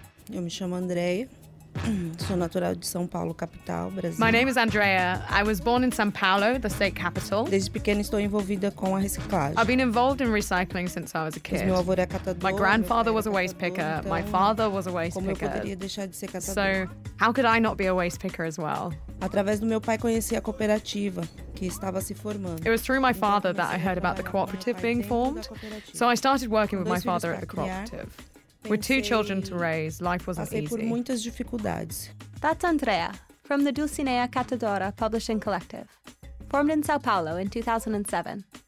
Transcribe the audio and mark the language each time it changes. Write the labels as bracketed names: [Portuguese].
[Portuguese] Eu me chamo Andrea. Sou natural de São Paulo, capital, Brasil. [English] My name is Andrea. I was born in São Paulo, the state capital. [Portuguese] Desde pequena estou envolvida com a reciclagem. [English] I've been involved in recycling since I was a kid. [Portuguese] Meu avô era catador. [English] My grandfather was a waste picker. Então, my father was a waste [Portuguese] como [English] picker. [Portuguese] Como eu poderia deixar de ser catador? [English] So, how could I not be a waste picker as well? [Portuguese] Através do meu pai conheci a cooperativa que estava se formando. [English] It was through my father that I heard about the cooperative being formed. So I started working with my father at the cooperative. With two children to raise, life wasn't easy. [Portuguese] Passei por muitas dificuldades. [English] That's Andrea, from the Dulcinea Catadora Publishing Collective, formed in Sao Paulo in 2007.